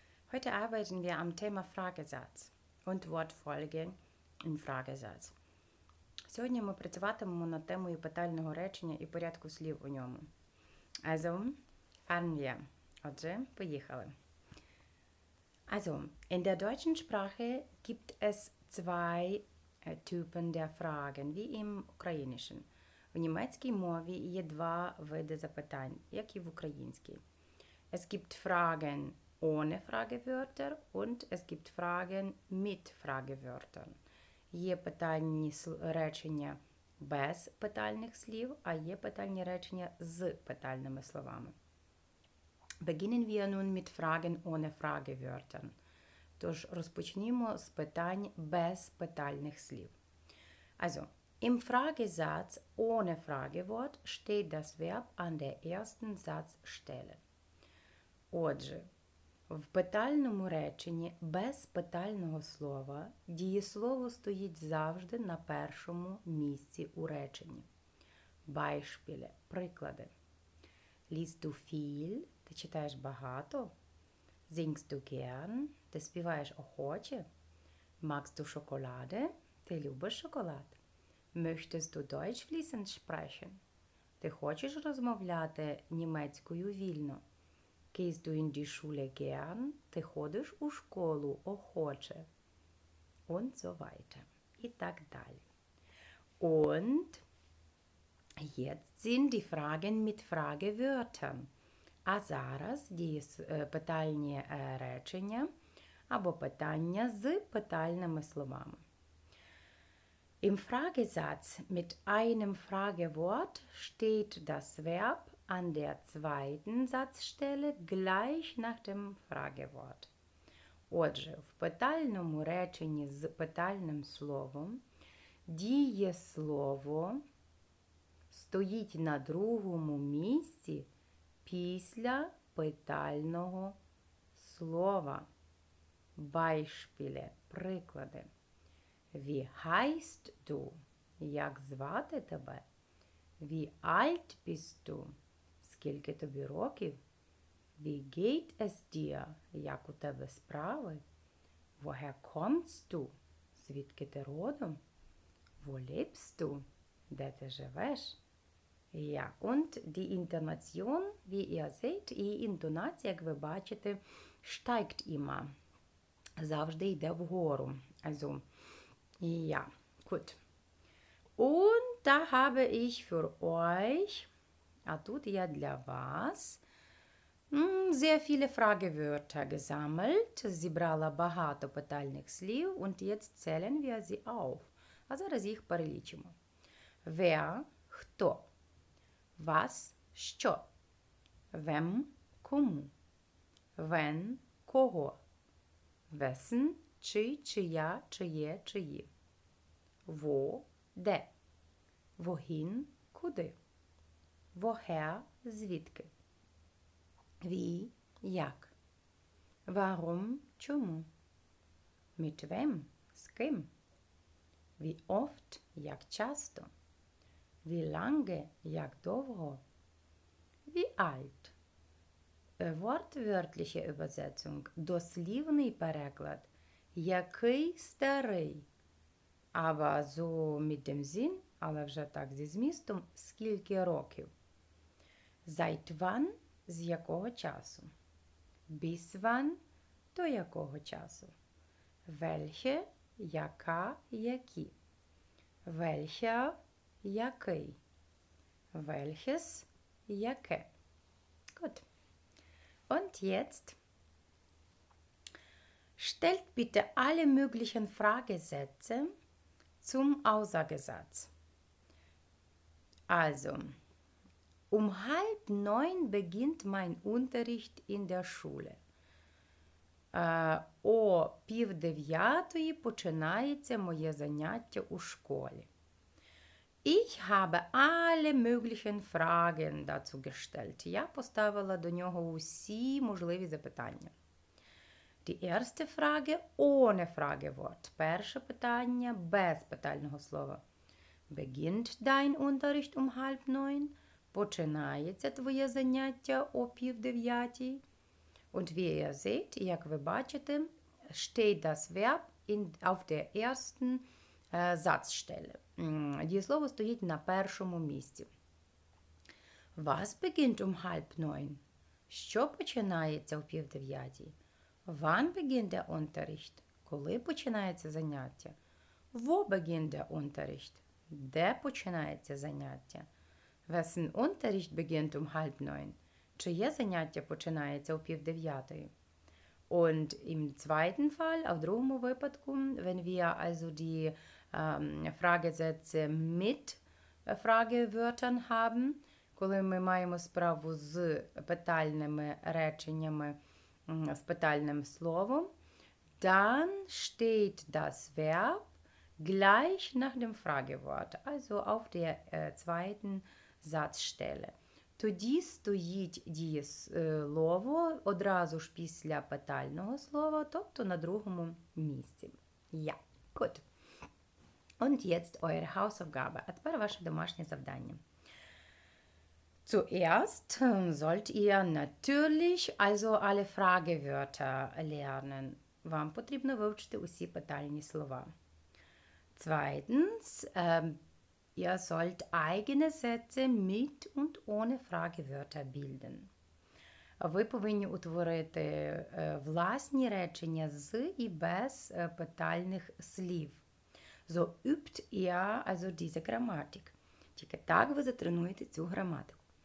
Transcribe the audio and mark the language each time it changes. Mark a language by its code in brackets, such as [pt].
[de] Heute arbeiten wir am Thema Fragesatz und Wortfolge im Fragesatz. [uk] Сьогодні ми працюватимемо над темою питального речення і порядку слів у ньому. [de] Also, fahren wir. [uk] Отже, поїхали. [de] Also, in der deutschen Sprache gibt es zwei Typen der Fragen, wie im ukrainischen. [uk] В німецькій мові є два види запитань, як і в українській. [de] Es gibt Fragen ohne Fragewörter und es gibt Fragen mit Fragewörtern. [uk] Є питальні речення без питальних слів, а є питальні речення з питальними словами. [de] Beginnen wir nun mit Fragen ohne Fragewörtern. [uk] Тож розпочнімо з питань без питальних слів. [de] Also, im Fragesatz ohne Fragewort steht das Verb an der ersten Satzstelle. [uk] Отже, в питальному реченні без питального слова дієслово стоїть завжди на першому місці у реченні. [de] Beispiele, [uk] приклади. [de] Liest du viel? [uk] Ти читаєш багато? [de] Singst du gern? [uk] Ти співаєш охоче? [de] Magst du Schokolade? [uk] Ти любиш шоколад? [de] Möchtest du Deutsch fließend sprechen? [uk] Ти хочеш розмовляти німецькою вільно? [de] Gehst du in die Schule gern? [uk] Ти ходиш у школу охоче? [de] Und so weiter. [uk] І так далі. [de] Und jetzt sind die Fragen mit Fragewörtern. [uk] А зараз є питальні речення або питання з питальними словами. [de] Im Fragesatz mit einem Fragewort steht das Verb an der zweiten Satzstelle gleich nach dem Fragewort. [uk] Отже, в питальному реченні з питальним словом дієслово стоїть на другому місці після питального слова. [de] Beispiele, [uk] приклади. [de] Wie heißt du? [uk] Як звати тебе? [de] Wie alt bist du? [uk] Скільки тобі років? [de] Wie geht es dir? [uk] Як у тебе справи? [de] Woher kommst du? [uk] Звідки ти родом? [de] Wo lebst du? [uk] Де ти живеш? [de] Ja, und die Intonation, wie ihr seht, [uk] і інтонація, як ви бачите, [de] steigt immer. [uk] Завжди йде вгору. [de] Also, ja, gut. Und da habe ich für euch, a tut ja [uk] для вас, [de] sehr viele Fragewörter gesammelt. [uk] Sie brala багато питальних слів. [de] Und jetzt zählen wir sie auf. [uk] А зараз їх перелічимо. [de] Wer, [uk] хто, [de] was, [uk] що, [de] wem, [uk] кому, [de] wen, [uk] кого, [de] wessen, [uk] чий, чия, чиє, чиї. [de] Wo, [uk] де, [de] wohin, [uk] куди, [de] woher, [uk] звідки, [de] wie, [uk] як, [de] warum, [uk] чому, [de] mit wem, [uk] з ким, [de] wie oft, [uk] як часто, [de] wie lange, [uk] як довго, [de] wie alt. Wortwörtliche Übersetzung, [uk] дослівний переклад, який старий. [de] Aber so mit dem Sinn, [uk] але вже так зі змістом, скільки років? [de] Seit wann, [uk] з якого часу? [de] Bis wann, [uk] до якого часу? [de] Welche, [uk] яка, які? [de] Welcher, [uk] який? [de] Welches, [uk] яке? [de] Gut. Und jetzt? Stellt bitte alle möglichen Fragesätze zum Aussagesatz. Also, um 8:30 beginnt mein Unterricht in der Schule. [uk] О 8:30 починається моє заняття у школі. [de] Ich habe alle möglichen Fragen dazu gestellt. [uk] Я поставила до нього усі можливі запитання. [de] Die erste Frage ohne Fragewort. [uk] Перше питання без питального слова. [de] Beginnt dein Unterricht um 8:30? [uk] Починається твоє заняття о пів дев'ятій. [de] Und wie ihr seht, [uk] як ви бачите, [de] steht das Verb in, auf der ersten Satzstelle. [uk] Дієслово стоїть на першому місці. [de] Was beginnt um 8:30? [uk] Що починається о пів дев'ятій? [de] Wann beginnt der Unterricht? [uk] Коли починається заняття? [de] Wo beginnt der Unterricht? [uk] Де починається заняття? [de] Wessen Unterricht beginnt um 8:30? [uk] Чиє заняття починається о пів дев'ятої? [de] Und im zweiten Fall, auf [uk] другому випадку, [de] wenn wir also die Fragesätze mit Fragewörtern haben, [uk] коли ми маємо справу з питальними реченнями, з питальним словом, [de] dann steht das Verb gleich nach dem Fragewort, also auf der zweiten Satzstelle. [uk] Тоді стоїть дієслово одразу ж після питального слова, тобто на другому місці. [de] Ja, gut. Und jetzt eure Hausaufgabe. [uk] А тепер ваше домашнє завдання. [de] Zuerst sollt ihr natürlich also alle Fragewörter lernen. [uk] Вам потрібно вивчити усі питальні слова. [de] Zweitens, ihr sollt eigene Sätze mit und ohne Fragewörter bilden. [uk] Ви повинні утворити власні речення з і без питальних слів. [de] So übt ihr also diese Grammatik. [uk] Тільки так ви затренуєте цю граматику.